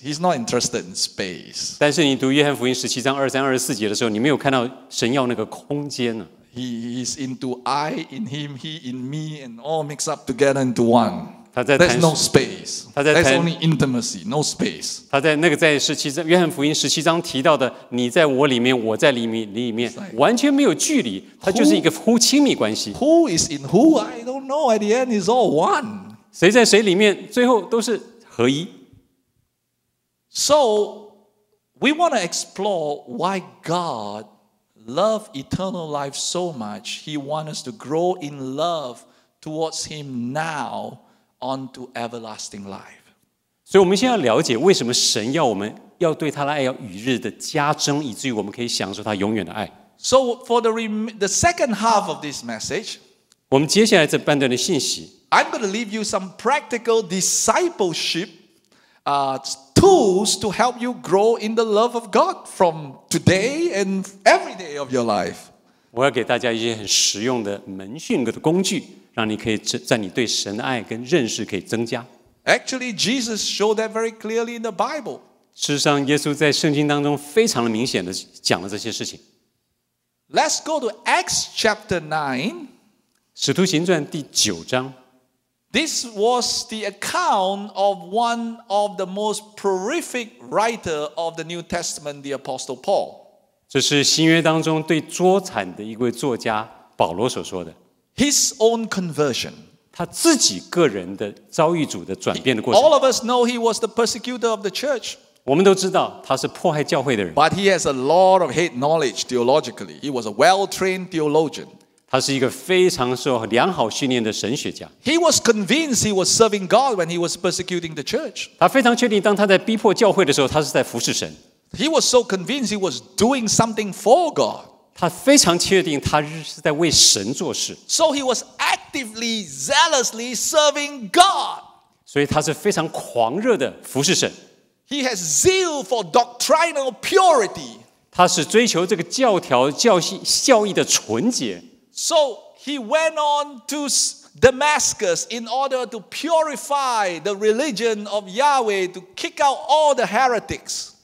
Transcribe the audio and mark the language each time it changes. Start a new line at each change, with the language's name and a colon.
English: He's not interested in space.
Chinese: 但是你读约翰福音十七章二三二十四节的时候，你没有看到神要那个空间呢。
English: He is into I in him, he in me, and all mixed up together into one. There's no space. There's only intimacy, no space.
Chinese: 他在那个在十七章约翰福音十七章提到的，你在我里面，我在你里面，完全没有距离。他就是一个乎亲密关系。
English: Who is in who? I don't know. At the end, it's all one.
Chinese: 谁在谁里面，最后都是合一。
English: So we want to explore why God. Love eternal life so much, he wants us to grow in love towards him now onto everlasting life.
Chinese: 所以我们先要了解为什么神要我们要对他的爱要与日的加增，以至于我们可以享受他永远的爱。
English: So for the second half of this message,
Chinese: 我们接下来这半段的信息，
English: I'm going to leave you some practical discipleship tools to help you grow in the love of God from today and every day of your life.
Chinese: 我要给大家一些很实用的门训的工具，让你可以在你对神的爱跟认识可以增加。
English: Actually, Jesus showed that very clearly in the Bible.
Chinese: 事实上，耶稣在圣经当中非常的明显的讲了这些事情。
English: Let's go to Acts chapter 9.
Chinese: 使徒行传第九章。
English: This was the account of one of the most prolific writer of the New Testament, the Apostle Paul.
Chinese: 这是新约当中最卓惨的一位作家保罗所说的
English: His own conversion
Chinese: 他自己个人的遭遇主的转变的过程
English: All of us know he was the persecutor of the church
Chinese: 我们都知道他是迫害教会的人
English: But he has a lot of head knowledge theologically He was a well-trained theologian
Chinese: 他是一个非常受良好训练的神学家
English: He was convinced he was serving God when he was persecuting the church
Chinese: 他非常确定当他在逼迫教会的时候他是在服侍神
English: He was so convinced he was doing something for God.
Chinese: 他非常确定他是在为神做事。
English: So he was actively, zealously serving God.
Chinese: 所以他是非常狂热的服侍神。
English: He has zeal for doctrinal purity.
Chinese: 他是追求这个教条、教义的纯洁。
English: So he went on to Damascus in order to purify the religion of Yahweh to kick out all the heretics.